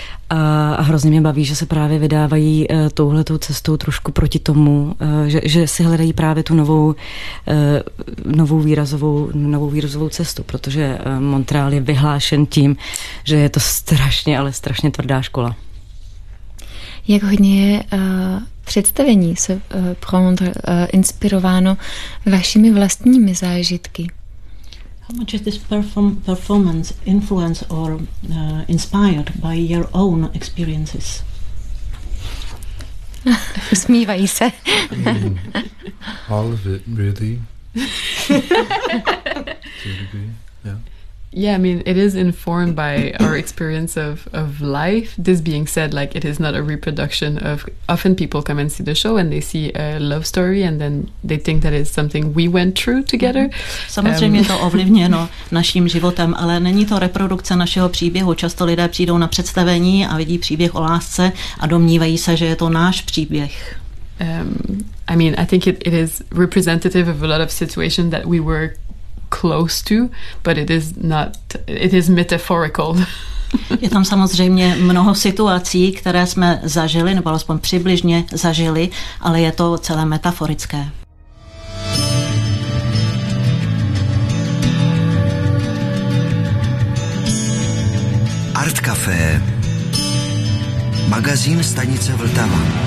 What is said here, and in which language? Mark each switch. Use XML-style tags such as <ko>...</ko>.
<cs>A hrozně mě baví, že se právě vydávají touhletou cestou trošku proti tomu, že si hledají právě tu novou výrazovou cestu, protože Montreal je vyhlášen tím, že je to strašně, ale strašně tvrdá škola. Jak hodně je představení se pro Montreal inspirováno vašimi vlastními zážitky?</cs> <en>How much is this performance influenced or inspired by your own experiences?</en> <cs>Usmívají se.</cs> <en>All of it, really. Yeah, I mean, it is informed by our experience of life. This being said, like, it is not a reproduction of... Often people come and see the show and they see a love story and then they think that is something we went through together.</en> <cs>Samozřejmě je to ovlivněno naším životem, ale není to reprodukce našeho příběhu. Často lidé přijdou na představení a vidí příběh o lásce a domnívají se, že je to náš příběh.</cs> <en>I mean, I think it is representative of a lot of situations that we were close to, but it is metaphorical.</en> <cs>Je tam samozřejmě mnoho situací, které jsme zažili, nebo alespoň přibližně zažili, ale je to celé metaforické. Art Café. Magazín stanice Vltava.</cs>